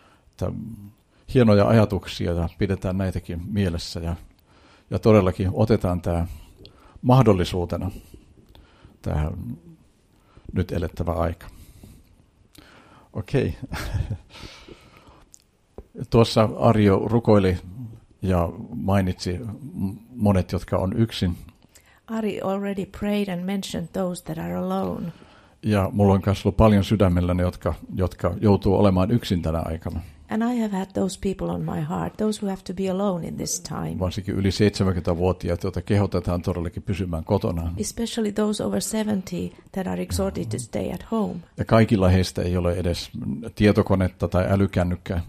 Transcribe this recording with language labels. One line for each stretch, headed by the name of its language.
Finnish: Että hienoja ajatuksia ja pidetään näitäkin mielessä ja todellakin otetaan tämä mahdollisuutena tähän nyt elettävä aika. Okei. Tuossa Arjo rukoili ja mainitsi monet, jotka on yksin.
English: Ari already prayed and mentioned those that are alone.
Finnish: Ja mulla on kanssa ollut paljon sydämellä ne, jotka joutuu olemaan yksin tänä aikana.
English: And I have had those people on my heart, those who have to be alone in this time.
Finnish: Varsinkin yli 70-vuotiaat, joita kehotetaan todellakin pysymään kotona.
English: Especially those over 70 that are exhorted to stay at home.
Finnish: Ja kaikilla heistä ei ole edes tietokonetta tai älykännykkää.